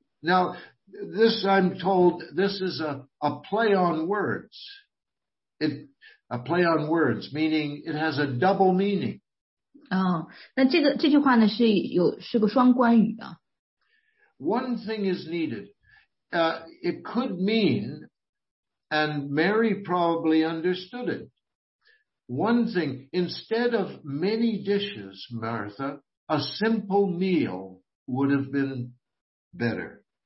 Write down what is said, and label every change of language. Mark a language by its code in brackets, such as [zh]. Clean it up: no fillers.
[en] Now,This I'm told, this is a play on words. It, a play on words, meaning it has a double meaning. [zh] 那这句话呢是个双关语啊。 [en] One thing is needed. It could mean, and Mary probably understood it. One thing, instead of many dishes, Martha, a simple meal would have been better.